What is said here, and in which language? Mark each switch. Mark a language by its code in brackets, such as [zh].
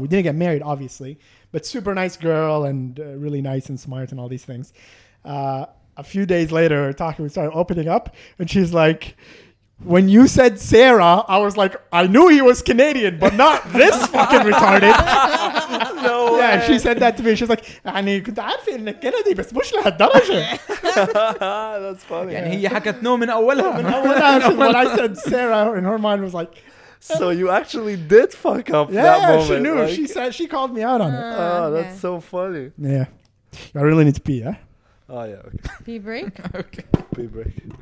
[en] We didn't get married, obviously. But super nice girl and really nice and smart and all these things. A few days later, talking, we started opening up. And she's like, when you said Sarah, I was like, I knew he was Canadian, but not this fucking retarded. No way. Yeah, she said that to me. She's like, [ar] يعني كنت عارف إنك كندي بس مش لهالدرجة. [en] That's funny. [ar] يعني هي حكت نو من أولها. [en] When I said Sarah, in her mind was like, so you actually did fuck up yeah, that moment. Yeah, she knew. Like, she said she called me out on it. Oh, that's so funny. Yeah, I really need to pee. Yeah. Oh yeah. Okay. Pee break. Okay. Pee break.